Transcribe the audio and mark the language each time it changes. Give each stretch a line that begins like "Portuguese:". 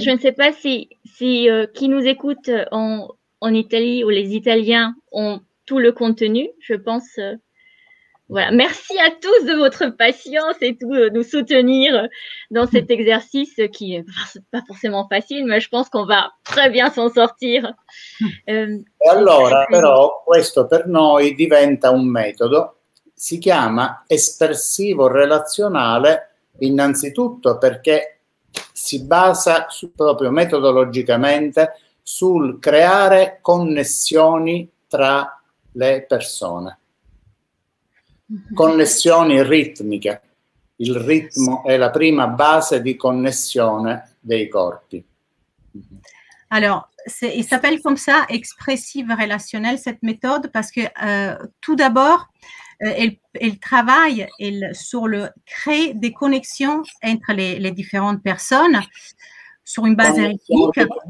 French: Je ne sais pas si qui nous écoute en Italie, où les Italiens ont tout le contenu, je pense Voilà, merci à tous de votre patience et tout, de nous soutenir dans cet exercice qui n'est pas forcément facile, mais je pense qu'on va très bien s'en sortir.
Italian: Allora, però, questo per noi diventa un metodo, si chiama espressivo relazionale, innanzitutto perché si basa su, proprio metodologicamente sul creare connessioni tra le persone. Connessioni ritmiche, il ritmo è la prima base di connessione dei corpi.
French: Alors, c'est, il s'appelle comme ça expressive relationnelle cette méthode parce que tout d'abord, elle travaille sur le créer des connexions entre les différentes personnes sur une base rythmique.